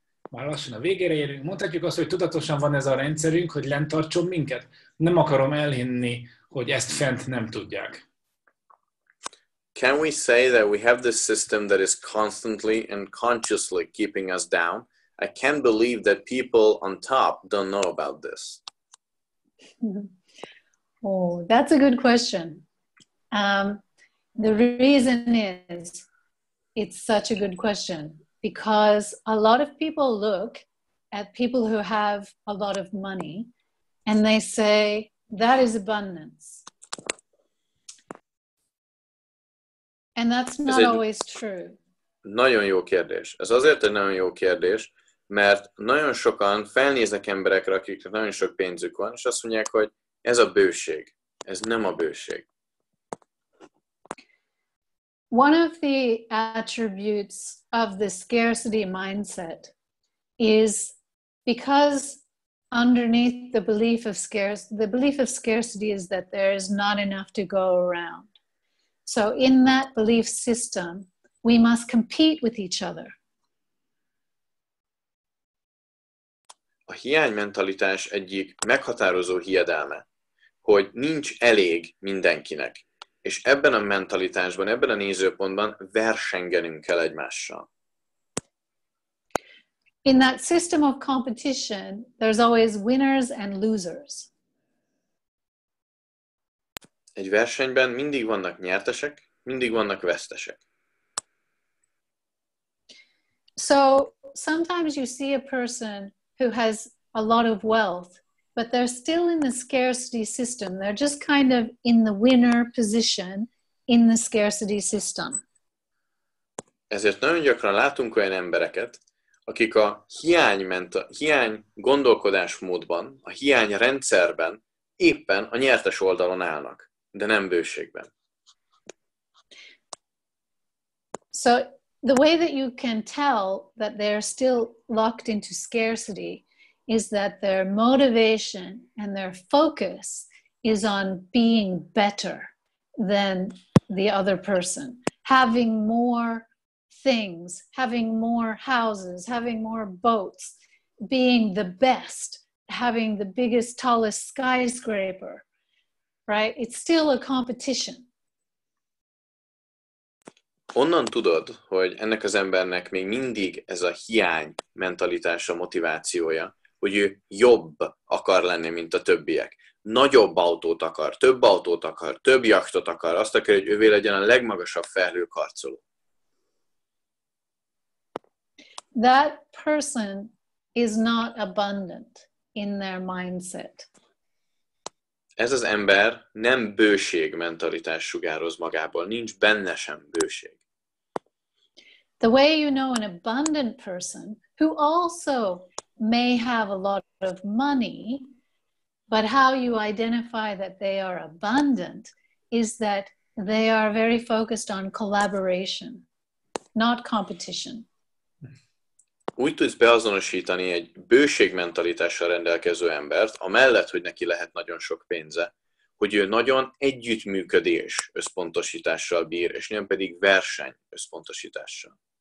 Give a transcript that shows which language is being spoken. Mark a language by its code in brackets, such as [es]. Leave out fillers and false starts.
[hu] Már lassan a végére érünk. Mondhatjuk azt, hogy tudatosan van ez a rendszerünk, hogy lent tartson minket. Nem akarom elhinni, hogy ezt fent nem tudják. [en] Can we say that we have this system that is constantly and consciously keeping us down? I can't believe that people on top don't know about this. Oh, that's a good question. The reason is, it's such a good question, because a lot of people look at people who have a lot of money and they say, that is abundance. And that's not always true. [hu] Nagyon jó kérdés. Ez azért egy nagyon jó kérdés, mert nagyon sokan felnéznek emberekre, akiknek nagyon sok pénzük van, és azt mondják, hogy ez a bőség. Ez nem a bőség. [en] One of the attributes of the scarcity mindset is because underneath the belief of scarcity is that there is not enough to go around. So in that belief system, we must compete with each other. [hu] A hiánymentalitás egyik meghatározó hiedelme, hogy nincs elég mindenkinek. És ebben a mentalitásban, ebben a nézőpontban versengenünk kell egymással. [en] In that system of competition, there's always winners and losers. [hu] Egy versenyben mindig vannak nyertesek, mindig vannak vesztesek. [en] So, sometimes you see a person who has a lot of wealth, but they're still in the scarcity system. They're just kind of in the winner position in the scarcity system. [hu] Ezért nagyon gyakran látunk olyan embereket, akik a hiány gondolkodásmódban, a hiány rendszerben éppen a nyertes oldalon állnak. De nem bőségben. [en] So the way that you can tell that they're still locked into scarcity is that their motivation and their focus is on being better than the other person, having more things, having more houses, having more boats, being the best, having the biggest, tallest skyscraper. Right, it's still a competition. [hu] Onnan tudod, hogy ennek az embernek még mindig ez a hiány mentalitása, motivációja, hogy ő jobb akar lenni, mint a többiek. Nagyobb autót akar, több jachtot akar, azt akar, hogy ővé legyen a legmagasabb felhőkarcoló. [en] That person is not abundant in their mindset. [hu] Ez az ember nem bőség mentalitás sugároz magából, nincs benne sem bőség. [en] The way you know an abundant person who also may have a lot of money, but how you identify that they are abundant is that they are very focused on collaboration, not competition. [hu] Úgy tudsz beazonosítani egy bőségmentalitással rendelkező embert, amellett, hogy neki lehet nagyon sok pénze, hogy ő nagyon együttműködés összpontosítással bír, és nem pedig verseny összpontosítással.